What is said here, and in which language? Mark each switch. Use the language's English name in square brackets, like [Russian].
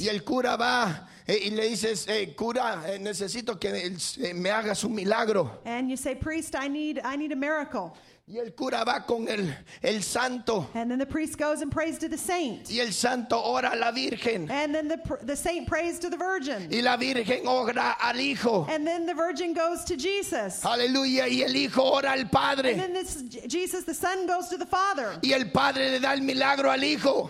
[Spanish] Y el cura va y le dices, cura, necesito que me hagas un milagro. [English] And you say, priest, I need a miracle. [Spanish] Y el cura va con el santo. [English] And then the priest goes and prays to the saint. [Spanish] Y el santo ora a la virgen. [English] And then the saint prays to the virgin. [Spanish] Y la virgen ora al hijo. [English] And then the virgin goes to Jesus. [Spanish] Aleluya, y el hijo ora al padre. [English] And then this Jesus, the son, goes to the father. [Spanish] Y el padre le da el milagro al hijo.